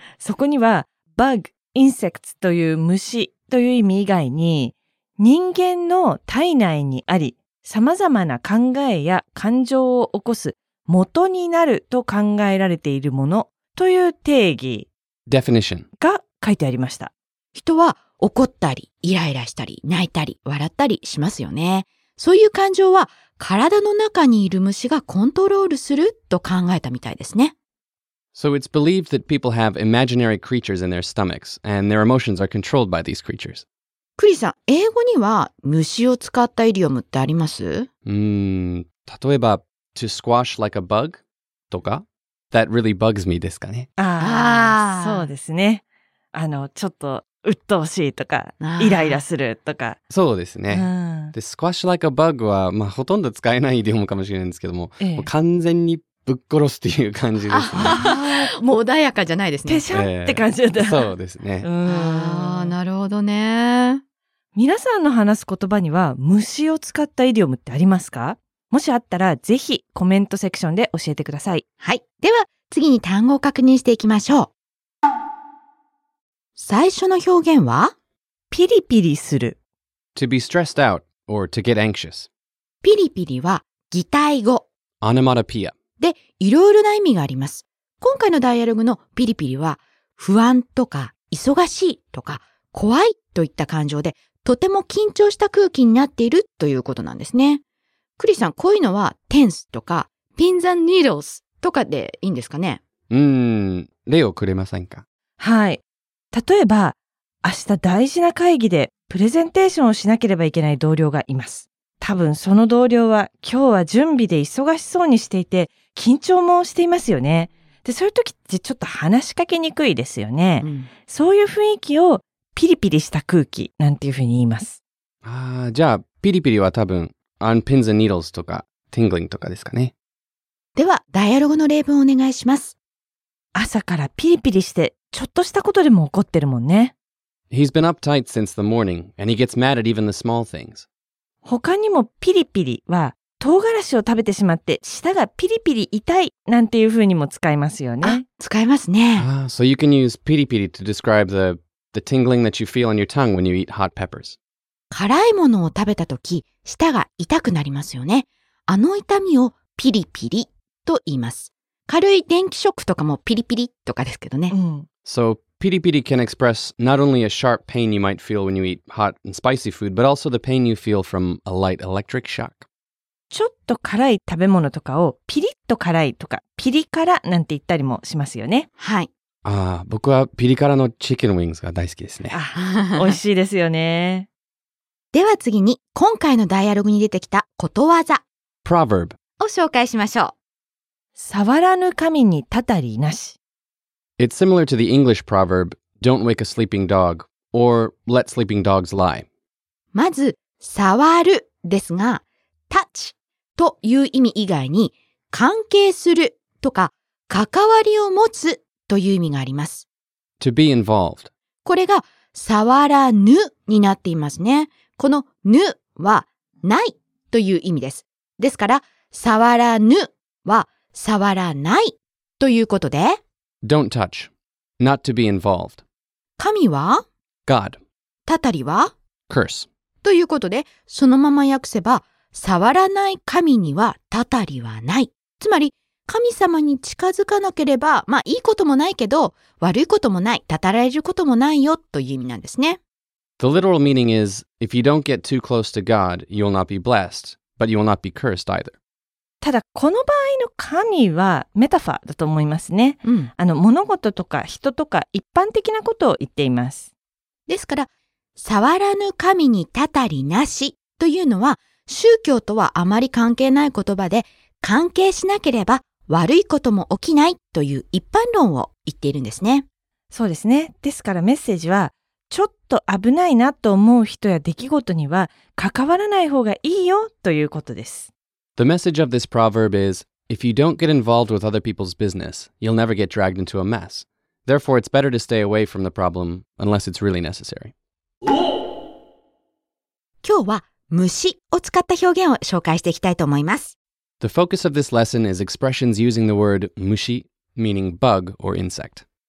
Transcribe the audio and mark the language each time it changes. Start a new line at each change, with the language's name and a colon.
Japanese: そこにはバグ、インセクツという虫という意味以外に、人間の体内にあり様々な考えや感情を起こす元になると考えられているものという定義、
English: Definition、
Japanese: が書いてありました。人は怒ったり、イライラしたり、泣いたり、笑ったりしますよね。そういう感情は体の中にいる虫がコントロールすると考えたみたいですね。
English: So it's believed that people have imaginary creatures in their stomachs, and their emotions are controlled by these creatures.
Japanese: クリさん、英語には虫を使ったイディオムってあります？例えば、
English: to squash like a bug?
Japanese: とか、
English: that really bugs me
Japanese: ですかね。ああ、そうですね。あの、ちょっと、鬱陶しいとか、イライラするとか。そうですね。で、
English: squash like a bug
Japanese: は、まあ、ほとんど使えないイディオムかもしれないんですけども、ええ、もう完全にぶっ殺すっていう感じですね。もう穏やかじゃないですね。ペシャって感じだった。そうですね。ああ、なるほどね。皆さんの話す言葉には、虫を使ったイディオムってありますか？もしあったら、ぜひコメントセクションで教えてください。はい。では、次に単語を確認していきましょう。最初の表現は、ピリピリする。
English: To be stressed out or to get anxious.
Japanese: ピリピリは擬態語。オノマトペア。で、いろいろな意味があります。今回のダイアログのピリピリは、不安とか忙しいとか怖いといった感情で、とても緊張した空気になっているということなんですね。クリさん、こういうのはテンスとか、ピンズ&ニードルスとかでいいんですかね？例をくれませんか？はい。例えば、明日大事な会議でプレゼンテーションをしなければいけない同僚がいます。多分その同僚は今日は準備で忙しそうにしていて緊張もしていますよね。で、そういう時ってちょっと話しかけにくいですよね。うん、そういう雰囲気をピリピリした空気なんていうふうに言います。ああ、じゃあピリピリは多分
English: on pins and needles
Japanese: とか tingling とかですかね。では、ダイアログの例文をお願いします。朝からピリピリしてちょっとしたことでも怒ってるもんね。
English: He's been uptight since the morning, and he gets mad at even the small things.
Japanese: 他にもピリピリは、唐辛子を食べてしまって舌がピリピリ痛いなんていう風にも使いますよね。あ、使いますね。
English: So you can use ピリピリ to describe the tingling that you feel on your tongue when you eat hot peppers.
Japanese: 辛いものを食べた時、舌が痛くなりますよね。あの痛みをピリピリと言います。軽い電気ショックとかもピリピリとかですけどね。うん、
English: So, piri piri can express not only a sharp pain you might feel when you eat hot and spicy food, but also the pain you feel from a light electric shock.
Japanese: ちょっと辛い食べ物とかをピリッと辛いとか、ピリ辛なんて言ったりもしますよね。はい。ああ、僕はピリ辛のチキンウィングスが大好きですね。美味しいですよね。では次に、今回のダイアログに出てきたことわざ、
English: Proverb
Japanese: を紹介しましょう。触らぬ神にたたりなし。
English: It's similar to the English proverb, don't wake a sleeping dog, or let sleeping dogs lie.
Japanese: まず、触るですが、touch という意味以外に、関係するとか、関わりを持つという意味があります。
English: To be involved.
Japanese: これが、触らぬになっていますね。このぬは、ないという意味です。ですから、触らぬは、触らないということで、
English: Don't touch. Not to be involved.
Japanese: 神は
English: God.
Japanese: たたりは
English: Curse.
Japanese: ということで、そのまま訳せば、触らない神にはたたりはない。つまり、神様に近づかなければ、まあいいこともないけど、悪いこともない、たたられることもないよという意味なんですね。
English: The literal meaning is, if you don't get too close to God, you'll not be blessed, but you'll not be cursed either.
Japanese: ただこの場合の神はメタファーだと思いますね、うん、あの物事とか人とか一般的なことを言っています。ですから触らぬ神にたたりなしというのは宗教とはあまり関係ない言葉で、関係しなければ悪いことも起きないという一般論を言っているんですね。そうですね。ですからメッセージは、ちょっと危ないなと思う人や出来事には関わらない方がいいよということです。
English: The message of this proverb is, if you don't get involved with other people's business, you'll never get dragged into a mess. Therefore, it's better to stay away from the problem unless it's really necessary.
Japanese: 今日は虫を使った表現を紹介していきたいと思います。
English: The focus of this lesson is expressions using the word 虫, meaning bug or insect.